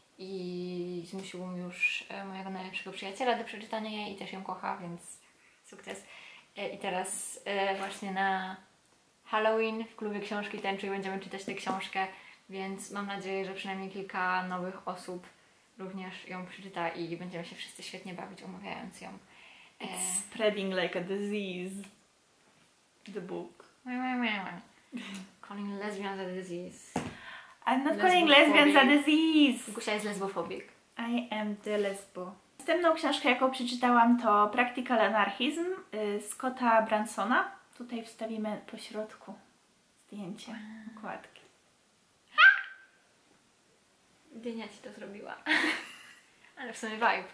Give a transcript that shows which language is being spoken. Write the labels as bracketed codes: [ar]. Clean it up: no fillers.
[pl] I zmusiłam już mojego najlepszego przyjaciela do przeczytania jej i też ją kocha, więc sukces. I teraz właśnie na Halloween w klubie książki Tenczuj będziemy czytać tę książkę, więc mam nadzieję, że przynajmniej kilka nowych osób również ją przeczyta i będziemy się wszyscy świetnie bawić omawiając ją. [en] It's spreading like a disease. The book. Calling lesbians a disease. I'm not calling lesbians a disease. [pl] Gusia jest lesbofobik. [en] I am the lesbo. [pl] Następną książkę, jaką przeczytałam, to Practical Anarchism Scotta Bransona. Tutaj wstawimy po środku zdjęcie, okładki. Dynia ci to zrobiła. Ale w sumie vibe.